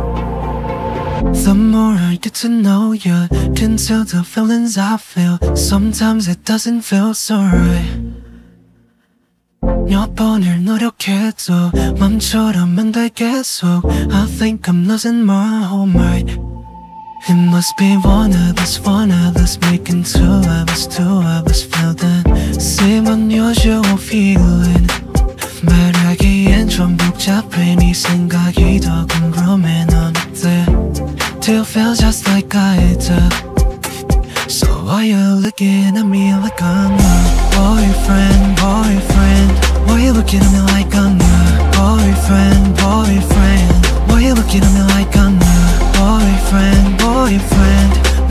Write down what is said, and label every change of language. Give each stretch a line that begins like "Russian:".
English: wanted to know you, didn't tell the feelings I feel. Sometimes it doesn't feel so right.
Korean: 몇 번을 노력해도 맘처럼 안 돼 계속.
English: I think I'm losing my whole mind. It must be one of us making two of us feel the same unusual feeling.
Korean: 말하기엔 좀 복잡해, 네 생각이 더 궁금해. 넌 어때?
English: Do you feel just like I do? So why are you looking at me like I'm your boyfriend, boyfriend? Why are you looking at me like I'm your boyfriend, boyfriend? Why are you looking at me like I'm your boyfriend, boyfriend?